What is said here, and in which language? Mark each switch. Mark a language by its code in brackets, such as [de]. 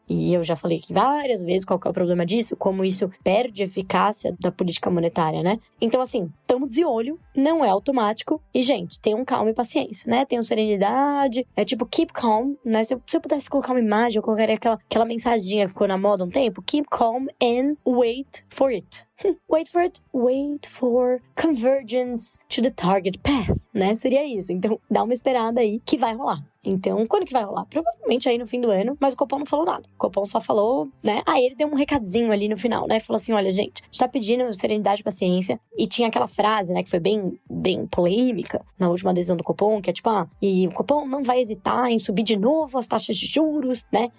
[pt] E eu já falei aqui várias vezes qual que é o problema disso, como isso perde eficácia da política monetária, né? Então, assim, estamos de olho, não é automático. E, gente, tenham calma e paciência, né? Tenham serenidade, é tipo [en] keep calm, [pt] né? Se eu pudesse colocar uma imagem, eu colocaria aquela mensaginha que ficou na moda um tempo. [en] Keep calm and wait for it. Wait for it, wait for convergence to the target path, né? [pt] Seria isso. Então, dá uma esperada aí que vai rolar. Então, quando que vai rolar? Provavelmente aí no fim do ano, mas o Copom não falou nada. O Copom só falou, né? Aí ele deu um recadinho ali no final, né? Falou assim, olha, gente, a gente tá pedindo serenidade e paciência. E tinha aquela frase, né, que foi bem, bem polêmica na última decisão do Copom, que é tipo, ah, e o Copom não vai hesitar em subir de novo as taxas de juros, né?